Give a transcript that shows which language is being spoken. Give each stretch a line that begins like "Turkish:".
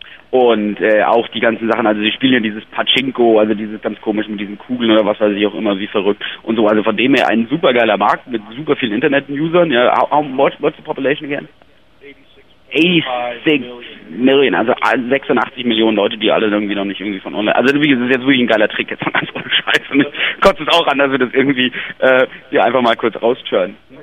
German: Und auch die ganzen Sachen, also sie spielen ja dieses Pachinko, also dieses ganz komisch mit diesen Kugeln oder was weiß ich auch immer, wie verrückt und so. Also von dem her ein super geiler Markt mit super vielen Internet-Usern.
English: Ja, what's the population again? 86 million,
German: also 86 Millionen Leute, die alle irgendwie noch nicht irgendwie von online. Also das ist jetzt wirklich ein geiler Trick jetzt von ganz ohne Scheiße. Ich kotze es auch an, dass wir das irgendwie hier einfach mal kurz rausturnen.